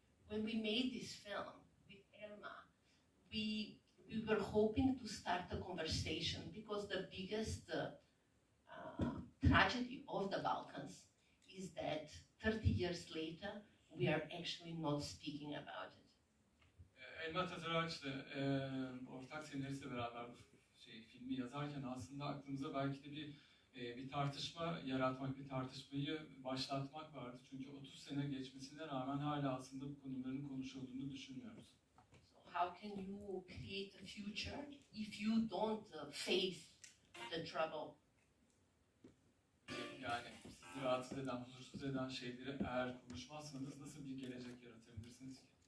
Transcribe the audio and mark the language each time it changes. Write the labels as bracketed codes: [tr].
[en] When we made this film with Elma, we were hoping to start a conversation because the biggest tragedy of the Balkans is that 30 years later we are actually not speaking about it. [tr] Elma Tatarac'la ortak senaristle beraber filmi yazarken aslında aklımıza belki de bir tartışma yaratmak, bir tartışmayı başlatmak vardı. Çünkü 30 sene geçmesine rağmen hala aslında bu konuların konuşulduğunu düşünmüyoruz. [en] So how can you create a future if you don't face the trouble? [tr] Yani sizi rahatsız eden, huzursuz eden şeyleri eğer konuşmazsanız nasıl bir gelecek yaratabilirsiniz ki?